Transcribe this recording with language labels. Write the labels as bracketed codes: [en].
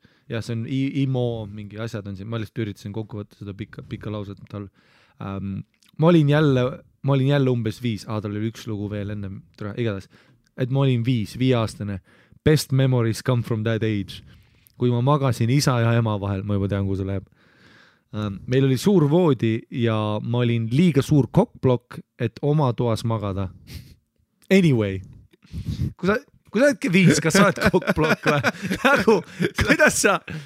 [et] Ja see on imo, mingi asjad on siin. Ma lihtsalt üritasin kokku võtta seda pika lauset. Ma olin jälle umbes viis. Aadal oli üks lugu veel enne. Igatahes. Et ma olin viieaastane. [en] Best memories come from that age. [et] Kui ma magasin isa ja ema vahel, ma juba tean, kui see läheb. Meil oli suur voodi ja ma olin liiga suur kokkblokk, et oma toas magada. [en] Anyway. [et] Kui sa oledki viis, kas sa oled kokkblokk või? Nagu, kuidas sa?